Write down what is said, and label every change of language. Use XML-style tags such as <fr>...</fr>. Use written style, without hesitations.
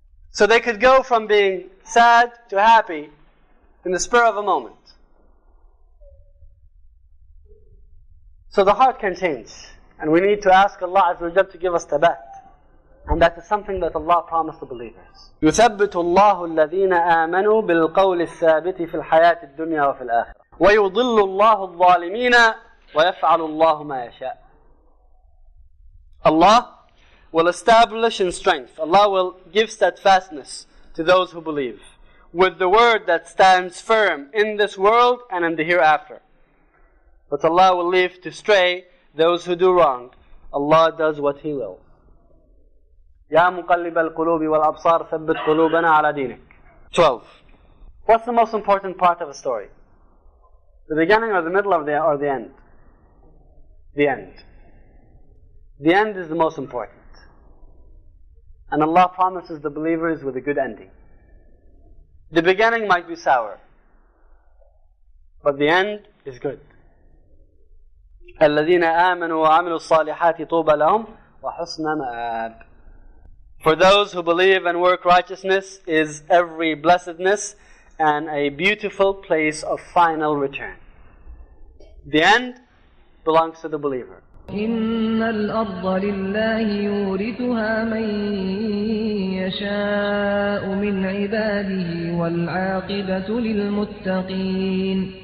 <en>So they could go from being sad to happy in the spur of a moment. So the heart can change. And we need to ask Allah Azza wa Jalla to give us thabat. And that is something that Allah promised the believers.</en> <ar>يثبت الله الذين آمنوا بالقول الثابت في الحياة الدنيا وفي الآخرة. ويضل الله الظالمين ويفعل الله ما يشاء.</ar> <en>Allah will establish in strength. Allah will give steadfastness to those who believe with the word that stands firm in this world and in the hereafter. But Allah will leave to stray those who do wrong. Allah does what He will.</en> <ar>يا مقلب القلوب والأبصار ثبت قلوبنا على دينك.</ar> <en>12. What's the most important part of a story? The beginning or the middle of the or the end? The end. The end is the most important. And Allah promises the believers with a good ending. The beginning might be sour, but the end is good.</en> <ar>الذين آمنوا وعملوا الصالحات طوبى لهم وحسن مآب.</ar> <en>For those who believe and work righteousness is every blessedness and a beautiful place of final return. The end belongs to the believer.</en> <ar>إِنَّ الْأَرْضَ لِلَّهِ يُورِثُهَا مَنْ يَشَاءُ مِنْ عِبَادِهِ وَالْعَاقِبَةُ لِلْمُتَّقِينَ</ar>